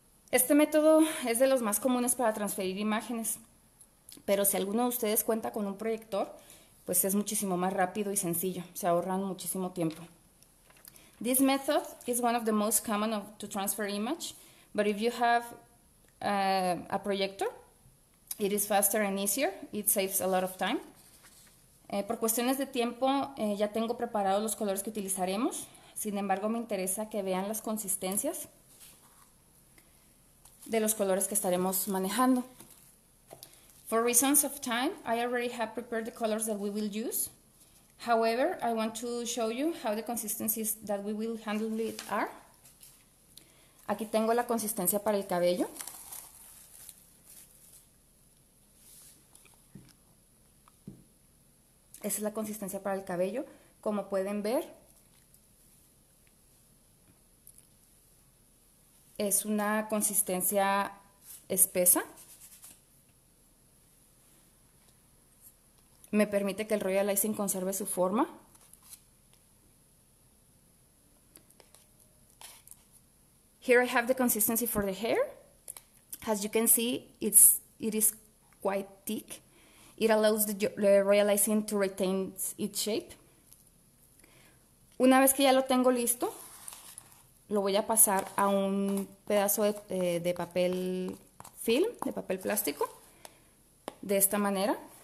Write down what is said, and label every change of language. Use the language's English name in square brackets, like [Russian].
[Spanish] Este método es de los más comunes para transferir imágenes, pero si alguno de ustedes cuenta con un proyector, pues es muchísimo más rápido y sencillo, se ahorran muchísimo tiempo. [English] This method is one of the most common of to transfer image, but if you have a projector, it is faster and easier, it saves a lot of time. [Spanish] Por cuestiones de tiempo, ya tengo preparados los colores que utilizaremos, sin embargo, me interesa que vean las consistencias de los colores que estaremos manejando. [English] For reasons of time, I already have prepared the colors that we will use. However, I want to show you how the consistencies that we will handle it are. [Spanish] Aquí tengo la consistencia para el cabello. Esa es la consistencia para el cabello. Como pueden ver, es una consistencia espesa. Me permite que el Royal Icing conserve su forma. [English] Here I have the consistency for the hair. As you can see, it is quite thick. It allows the Royal Icing to retain its shape. [Spanish] Una vez que ya lo tengo listo, lo voy a pasar a un pedazo de papel film, de papel plástico, de esta manera.